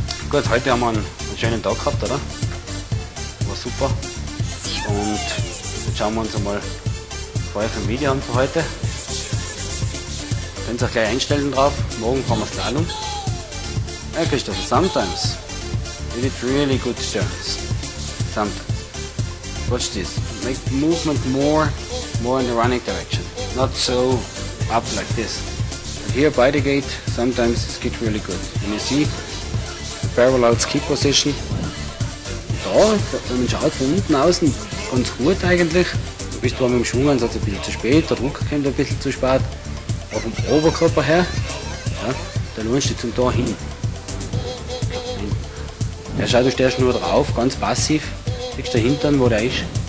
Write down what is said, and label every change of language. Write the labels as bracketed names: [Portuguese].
[German] Gut, heute haben wir einen schönen Tag gehabt, oder? War super. Und jetzt schauen wir uns einmal vor euch ein Video an für heute. Könnt ihr euch gleich einstellen drauf. Morgen fahren wir es gleich um. [English] Ja, Christoph, sometimes. You did really good turns. Sometimes. Watch this. Make movement more in the running direction. Not so up like this. And here by the gate, sometimes it's get really good. And you see, the parallel's key position. [German] Da, wenn man schaut von unten außen, ganz gut eigentlich. Du bist zwar mit dem Schwungansatz ein bisschen zu spät, der Druck kommt ein bisschen zu spät. Aber vom Oberkörper her, ja, da lohnst du zum Tor hin. Ja, schau, du stehst nur drauf, ganz passiv. Siehst du dahinten, wo der ist.